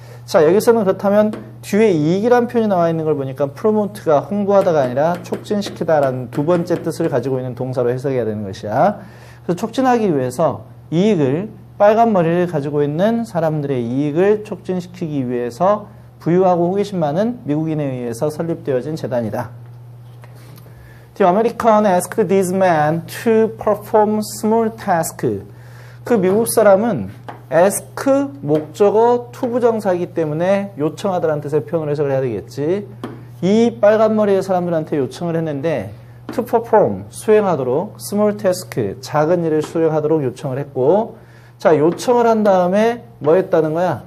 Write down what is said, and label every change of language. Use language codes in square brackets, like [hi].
[ko] 자, 여기서는 그렇다면 뒤에 이익이란 표현이 나와 있는 걸 보니까 프로모트가 홍보하다가 아니라 촉진시키다라는 두 번째 뜻을 가지고 있는 동사로 해석해야 되는 것이야. 그래서 촉진하기 위해서 이익을 빨간 머리를 가지고 있는 사람들의 이익을 촉진시키기 위해서 부유하고 호기심 많은 미국인에 의해서 설립되어진 재단이다. [en] The American asked this man to perform small tasks. [ko] 그 미국 사람은 ask, 목적어, 투부정사이기 때문에 요청하다라는 뜻의 표현을 해석을 해야 되겠지. 이 빨간머리의 사람들한테 요청을 했는데 to perform, 수행하도록, small task, 작은 일을 수행하도록 요청을 했고 자 요청을 한 다음에 뭐 했다는 거야?